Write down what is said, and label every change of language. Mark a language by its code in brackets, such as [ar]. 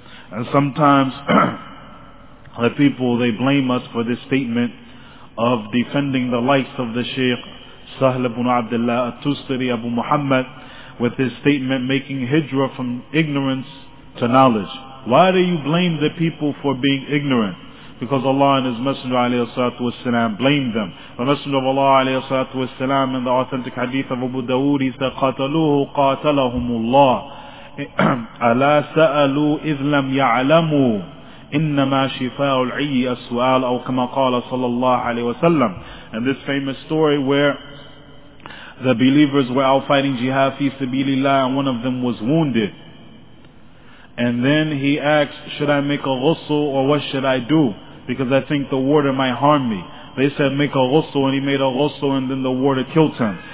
[en] And sometimes the people, they blame us for this statement of defending the likes of the Shaykh Sahl ibn Abdullah al-Tustari Abu Muhammad with his statement making hijrah from ignorance to knowledge. Why do you blame the people for being ignorant? Because Allah and His Messenger alayhi salatu wasalam blamed them. The Messenger of Allah alayhi salatu wasalam in the authentic hadith of Abu Dawood, he said, [ar] قَاتَلُوهُ قَاتَلَهُمُ اللَّهُ أَلَا سَأَلُوا إِذْ لَمْ يَعْلَمُوا إِنَّمَا شِفَاءُ الْعِيِّ السُّؤَالُ أَوْ كَمَا قَالَ صَلَى اللَّهُ عَلَيْهِ وَسَلَّمُ. [en] And this famous story where the believers were out fighting jihad fi sabilillah and one of them was wounded. And then he asked, should I make a ghusl or what should I do? Because I think the water might harm me. They said, make a ghusl, and he made a ghusl, and then the water killed him.